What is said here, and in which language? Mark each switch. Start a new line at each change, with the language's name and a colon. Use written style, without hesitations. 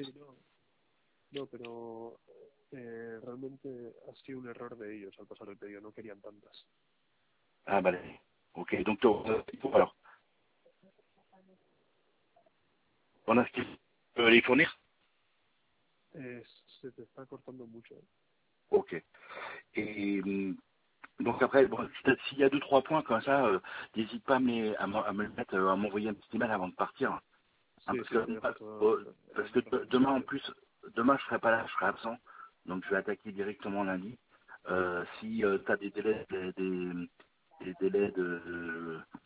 French: Si, non, mais vraiment, c'est une erreur
Spanish: de ellos al pasar el pedido, no querían tantas.
French: Ah, bah, ok, donc tu as alors. On a ce qu'il peut les fournir.
Spanish: Se te está cortando mucho.
French: Ok. Et donc après, bon, s'il y a deux, trois points comme ça, n'hésite pas à m'envoyer un petit email avant de partir. Hein, si, parce que, si, parce que demain, en plus, demain, je ne serai pas là, je serai absent. Donc, je vais attaquer directement lundi. Si tu as des délais, des délais de...